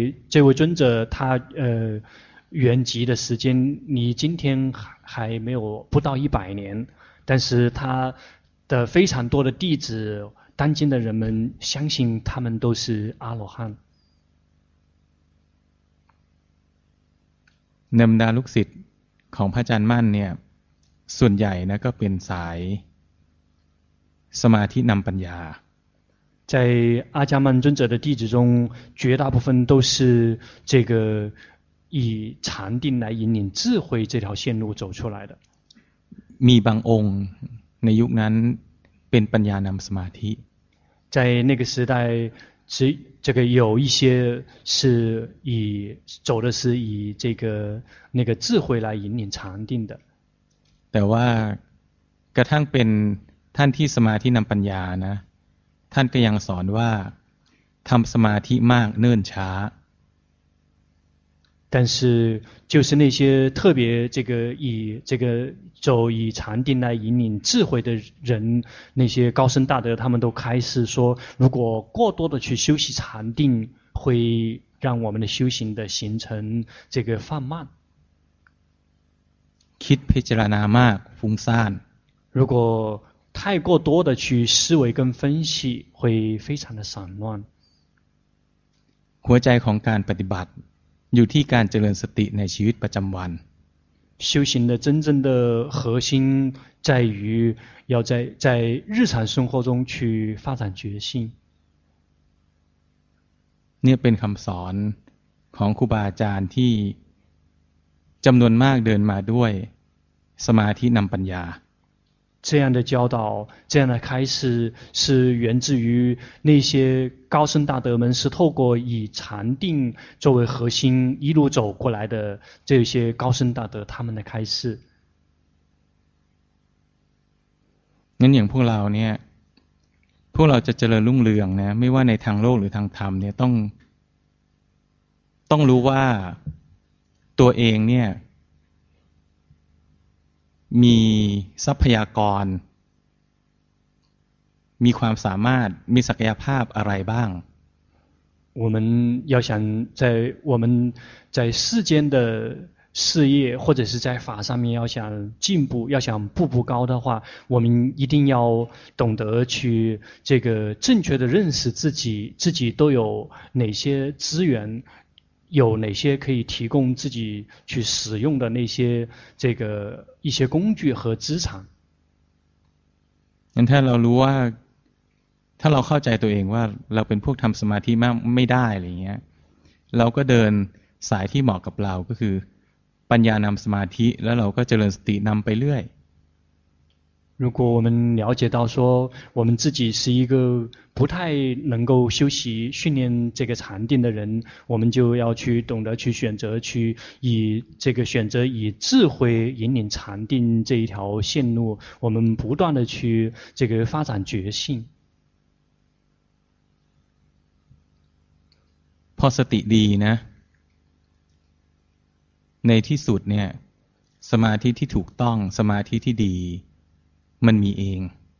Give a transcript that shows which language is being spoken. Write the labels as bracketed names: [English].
[Chinese] 这位尊者他原籍的时间离今天还没有不到一百年，但是他的非常多的弟子，当今的人们相信他们都是阿罗汉。 [Thai] นำดาลูกศิษย์ของพระอาจารย์มั่นเนี่ยส่วนใหญ่นะก็เป็นสายสมาธินำปัญญา [Chinese] 在阿伽曼尊者的弟子中，绝大部分都是这个以禅定来引领智慧这条线路走出来的。 [Thai] มีบางองค์ในยุคนั้นเป็นปัญญานำสมาธิ [Chinese] 在那个时代，这个有一些是以走的是以这个那个智慧来引领禅定的。 [Thai] แต่ว่ากระทั่งเป็นท่านที่สมาธินำปัญญานะท่านก็ยังสอนว่าทำสมาธิมากเนิ่นช้า [Chinese] 但是就是那些特别这个以这个走以禅定来引领智慧的人，那些高僧大德他们都开始说，如果过多的去修习禅定，会让我们的修行的形成这个放慢。 [Thai] คิดพิจารณามากฟุ้งซ่าน [Chinese] 如果太过多的去思维跟分析，会非常的散乱。 [Thai] หัวใจของการปฏิบัติอยู่ที่การเจริญสติในชีวิตประจำวัน [Chinese] 修行的真正的核心在于要在日常生活中去发展觉性 [Thai] นี่เป็นคำสอนของครูบาอาจารย์ที่จำนวนมากเดินมาด้วยสมาธินำปัญญา [Chinese] 这样的教导这样的开始是源自于那些高僧大德们是透过以禅定作为核心一路走过来的这些高僧大德他们的开始 [Thai] งั้นอย่างพวกเราเนี่ยพวกเราจะเจริญรุ่งเรืองนะไม่ว่าในทางโลกหรือทางธรรมเนี่ยต้องรู้ว่าตัวเองเนี่ยมีทรัพยากรมีความสามารถมีศักยภาพอะไรบ้าง [Chinese] 我们要想在我们在世间的事业或者是在法上面要想进步要想步步高的话我们一定要懂得去这个正确的认识自己都有哪些资源有哪些可以提供自己去使用的那些这个一些工具和资产 [Thai] นั้นถ้าเรารู้ว่าถ้าเราเข้าใจตัวเองว่าเราเป็นพวกทำสมาธิมากไม่ได้อะไรเงี้ยเราก็เดิน สายที่เหมาะกับเราก็คือปัญญานำสมาธิแล้วเราก็เจริญสตินำไปเรื่อย [Chinese] 如果我们了解到说我们自己是一个不太能够修习训练这个禅定的人我们就要去懂得去选择去以这个选择以智慧引领禅定这一条线路我们不断的去这个发展觉性 [Thai] พอสติดีนะในที่สุดเนี่ยสมาธิที่ถูกต้องสมาธิที่ดีมันมีเอง